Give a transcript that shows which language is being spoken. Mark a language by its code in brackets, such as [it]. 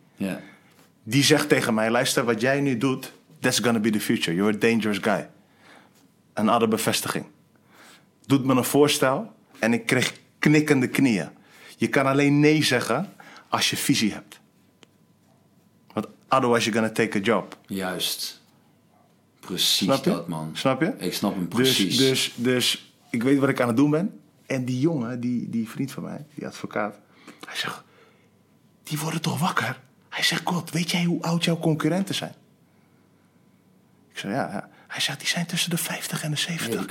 [nl] Ja. Die zegt tegen mij, luister, wat jij nu doet, [en] that's gonna be the future. You're a dangerous guy. [nl] Een andere bevestiging. Doet me een voorstel en ik kreeg knikkende knieën. Je kan alleen nee zeggen als je visie hebt. Want [en] otherwise you're gonna take a job. [nl] Juist. Precies dat, man. Snap je? Ik snap hem precies. Dus ik weet wat ik aan het doen ben. En die jongen, die vriend van mij, die advocaat, hij zegt, die worden toch wakker? Hij zegt, God, weet jij hoe oud jouw concurrenten zijn? Ik zei, ja. Hij zegt, die zijn tussen de 50 en de 70.